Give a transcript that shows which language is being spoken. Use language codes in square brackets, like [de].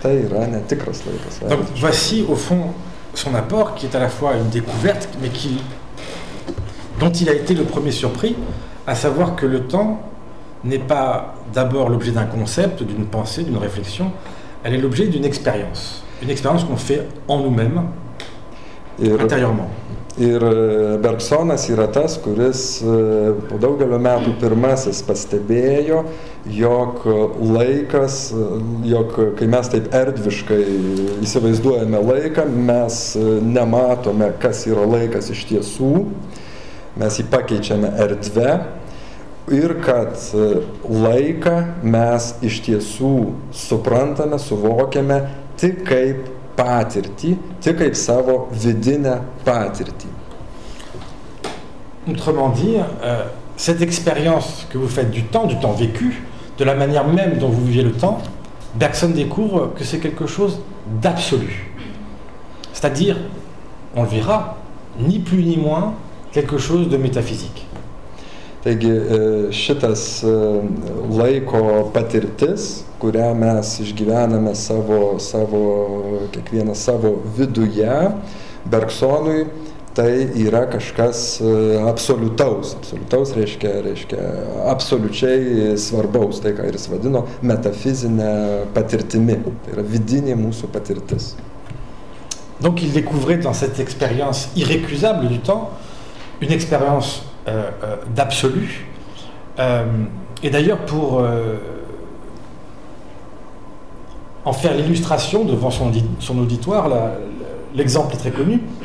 [fr] Donc voici au fond son apport qui est à la fois une découverte mais dont il a été le premier surpris, à savoir que le temps n'est pas d'abord l'objet d'un concept, d'une pensée, d'une réflexion, elle est l'objet d'une expérience, une expérience qu'on fait en nous-mêmes, intérieurement. [lt] Ir Bergsonas yra tas, kuris po daugelio metų pirmasis pastebėjo, jog laikas, jog kai mes taip erdviškai įsivaizduojame laiką, mes nematome, kas yra laikas iš tiesų, mes jį pakeičiame erdve ir kad laiką mes iš tiesų suprantame, suvokiame tik kaip patirtį, tik kaip savo vidinę patirtį. [fr] Autrement dit, cette expérience que vous faites du temps vécu, de la manière même dont vous viviez le temps, Bergson découvre que c'est quelque chose d'absolu. C'est-à-dire, on le verra, ni plus ni moins, quelque chose de métaphysique. [lt] Taigi, šitas laiko patirtis, kurią mes išgyvename savo kiekvieną savo viduje, Bergsonui, tai yra kažkas absoliutaus. Absoliutaus reiškia absoliučiai svarbaus, tai ką jis vadino metafizinę patirtimi. Tai yra vidinė mūsų patirtis. [fr] Donc il découvrait dans cette expérience irrécusable du temps une expérience d'absolu. Et d'ailleurs, pour en faire l'illustration devant son auditoire, l'exemple est très connu.